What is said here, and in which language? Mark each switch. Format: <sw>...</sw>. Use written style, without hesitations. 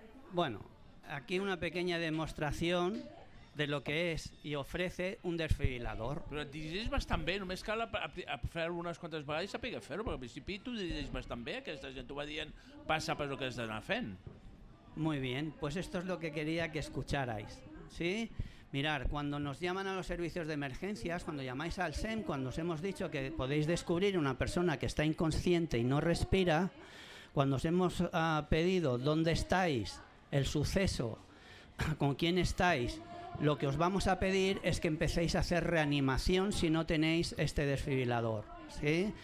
<es>Bueno. Aquí una pequeña demostración de lo que es y ofrece un desfibrilador.</es> <ca>Però dirigeix bastant bé, només cal a fer unes quantes vegades i saber fer-ho, perquè al principi tu dirigeix bastant bé, aquesta gent t'ho va dient, passa per el que has d'anar fent.</ca> <es>Muy bien, pues esto es lo que quería que escucharais, ¿sí? Mirad, cuando nos llaman a los servicios de emergencias, cuando llamáis al SEM, cuando os hemos dicho que podéis descubrir una persona que está inconsciente y no respira, cuando os hemos pedido dónde estáis, el suceso, con quién estáis, lo que os vamos a pedir es que empecéis a hacer reanimación si no tenéis este desfibrilador, ¿sí?</es>